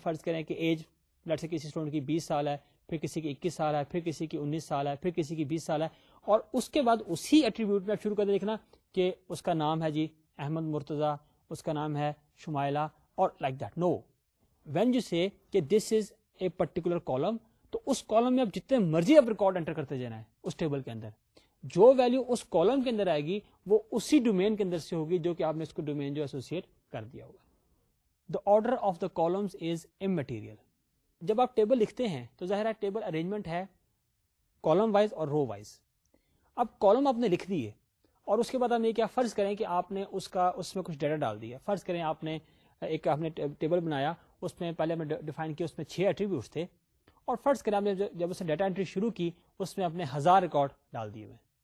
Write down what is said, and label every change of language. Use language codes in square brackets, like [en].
[ur] فرض کریں کہ ایج لٹ سے کسی اسٹوڈنٹ کی 20 سال ہے, پھر کسی کی 21 سال ہے, پھر کسی کی 19 سال ہے, پھر کسی کی 20 سال ہے, اور اس کے بعد اسی ایٹریبیوٹ میں آپ شروع کر دیں دیکھنا کہ اس کا نام ہے جی احمد مرتضیٰ, اس کا نام ہے شمائلہ, اور [en] Like that. No, when you say کہ this is a particular column, [ur] تو اس کالم میں آپ جتنے مرضی آپ ریکارڈ انٹر کرتے جانا ہے, اس ٹیبل کے اندر جو ویلیو اس کالم کے اندر آئے گی وہ اسی ڈومین کے اندر سے ہوگی جو کہ آپ نے اس کو ڈومین جو ایسوسیٹ کر دیا ہوگا. [en] The order of the columns is immaterial. [ur] جب آپ ٹیبل لکھتے ہیں تو ظاہر ہے ٹیبل ارینجمنٹ ہے کالم وائز اور رو وائز. اب کالم آپ نے لکھ دیے اور اس کے بعد ہم یہ کیا فرض کریں کہ آپ نے اس کا, اس میں کچھ ڈیٹا ڈال دیا. فرض کریں آپ نے ایک, آپ نے ٹیبل بنایا, اس میں پہلے ہم نے ڈیفائن کیا, اس میں 6 ایٹریبیوٹس تھے, اور فرض کریں آپ نے جب اسے ڈیٹا انٹری شروع کی اس میں آپ نے 1000 ریکارڈ ڈال دیے ہوئے.